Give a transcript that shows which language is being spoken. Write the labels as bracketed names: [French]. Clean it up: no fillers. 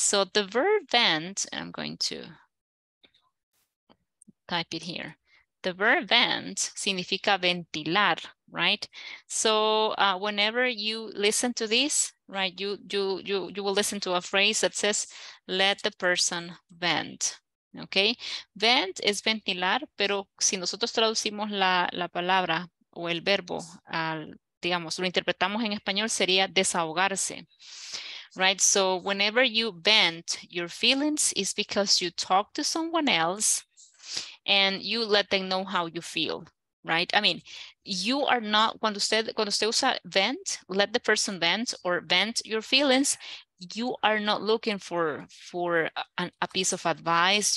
[English] So the verb vent, I'm going to type it here. The verb vent [Spanish] significa ventilar, [English] right? So whenever you listen to this, right, you will listen to a phrase that says, let the person vent. [Spanish] Okay, vent es ventilar, pero si nosotros traducimos la palabra o el verbo, digamos, lo interpretamos en español, sería desahogarse, [English] right? So whenever you vent your feelings, it's because you talk to someone else and you let them know how you feel, right? I mean, you are not, [Spanish] cuando usted usa vent, [English] let the person vent or vent your feelings, you are not looking for a piece of advice.